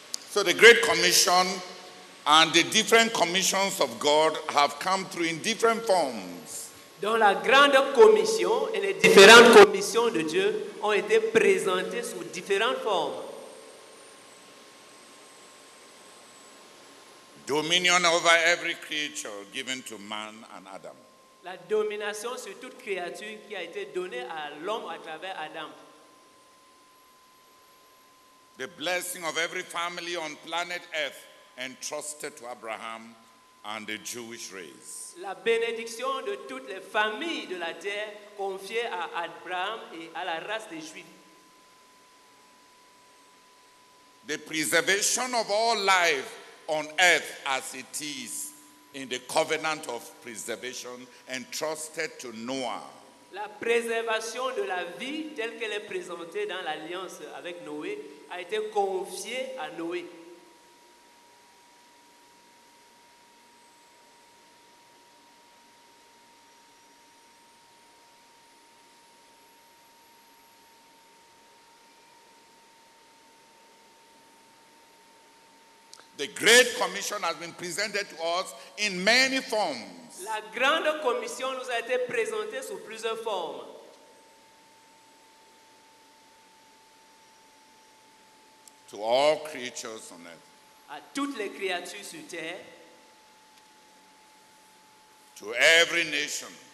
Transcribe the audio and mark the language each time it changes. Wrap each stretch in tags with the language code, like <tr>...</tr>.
<en>So the Great Commission and the different commissions of God have come through in different forms.</en> <fr>Dans la grande commission et les différentes commissions de Dieu ont été présentées sous différentes formes.</fr> <en>Dominion over every creature given to man and Adam.</en> <fr>La domination sur toute créature qui a été donnée à l'homme à travers Adam.</fr> <en>The blessing of every family on planet Earth entrusted to Abraham and the Jewish race.</en> <fr>La bénédiction de toutes les familles de la terre confiée à Abraham et à la race des Juifs.</fr> <en>The preservation of all life on earth as it is in the covenant of preservation entrusted to Noah.</en> <fr>La préservation de la vie telle qu'elle est présentée dans l'alliance avec Noé a été confiée à Noé.</fr> <en>The Great Commission has been presented to us in many forms.</en> <fr>La Grande Commission nous a été présentée sous plusieurs formes.</fr> <en>To all creatures on earth.</en> <fr>À toutes les créatures sur terre.</fr> <en>To every nation.</en>